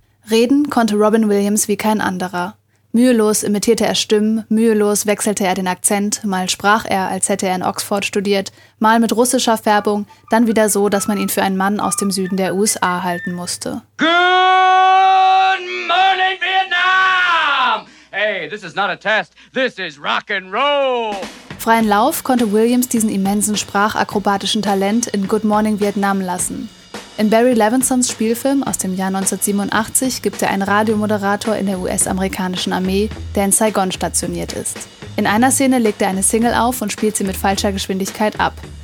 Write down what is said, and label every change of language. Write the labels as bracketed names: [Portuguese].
[German] Reden konnte Robin Williams wie kein anderer. Mühelos imitierte er Stimmen, mühelos wechselte er den Akzent, mal sprach er, als hätte er in Oxford studiert, mal mit russischer Färbung, dann wieder so, dass man ihn für einen Mann aus dem Süden der USA halten musste. [English] Good morning, Vietnam! Hey, this is not a test, this is rock and roll! [German] Freien Lauf konnte Williams diesen immensen sprachakrobatischen Talent in Good Morning Vietnam lassen. In Barry Levinsons Spielfilm aus dem Jahr 1987 gibt er einen Radiomoderator in der US-amerikanischen Armee, der in Saigon stationiert ist. In einer Szene legt er eine Single auf und spielt sie mit falscher Geschwindigkeit ab.